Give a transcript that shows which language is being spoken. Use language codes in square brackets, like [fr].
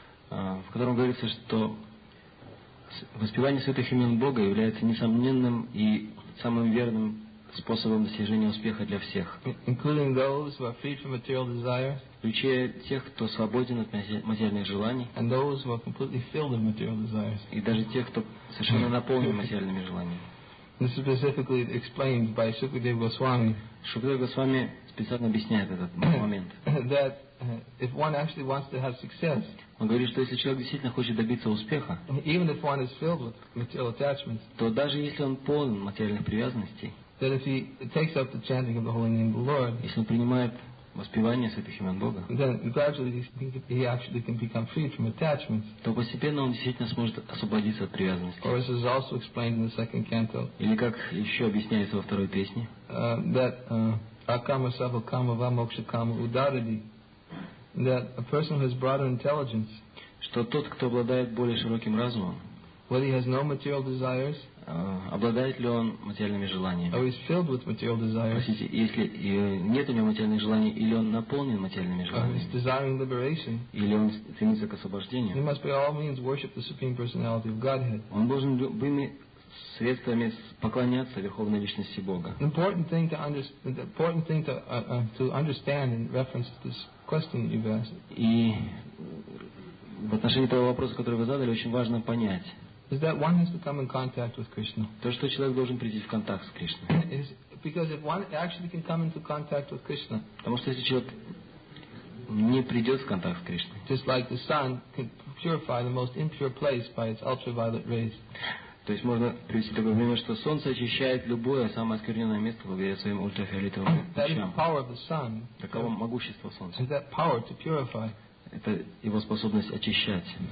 [ru] В котором говорится, что воспевание святых имен Бога является несомненным и самым верным способом достижения успеха для всех. [en] Including those who are free from material desires. [ru] Включая тех, кто свободен от материальных желаний. [en] And those who are completely filled with material desires. [ru] И даже тех, кто совершенно наполнен материальными желаниями. [en] This is specifically explained by Shukadeva Goswami. [ru] Шукадева Госвами специально объясняет этот момент. [en] That if one actually wants to have success. [ru] Он говорит, что если человек действительно хочет добиться успеха, [en] even if one is filled with material attachments, [ru] то даже если он полон материальных привязанностей, [en] that if he takes up the chanting of the holy name of the Lord, [ru] если он принимает воспевание святых имен Бога, [en] then gradually he actually can become free from attachments, [ru] то постепенно он действительно сможет освободиться от привязанностей. [en] Or as is also explained in the second canto, [ru] или как еще объясняется во второй песне, [en] that [sa] akama sabha kama vamoksha kama udarati. [en] That a person who has broader intelligence, [ru] что тот, кто обладает более широким разумом, [en] whether he has no material desires, [ru] обладает ли он материальными желаниями, [en] or is filled with material desires, [ru] простите, если нет у него материальных желаний, или он наполнен материальными желаниями, [en] or is desiring liberation, [ru] или он стремится к освобождению, [en] he must by all means worship the Supreme Personality of Godhead. [ru] Он должен любыми средствами поклоняться Верховной Личности Бога. [en] Important thing to understand in reference to this question you've asked. [ru] И в отношении того вопроса, который вы задали, очень важно понять. [en] Is that one has to come in contact with Krishna. [ru] То, что человек должен прийти в контакт с Кришной. [en] Is because if one actually can come into contact with Krishna. [ru] Потому что если человек не придет в контакт с Кришной. [en] Just like the sun can purify the most impure place by its ultraviolet rays. [ru] То есть можно привести такое пример, что солнце очищает любое самое оскверненное место благодаря своим ультрафиолетовым лучам. Таково могущество солнца. Это его способность очищать.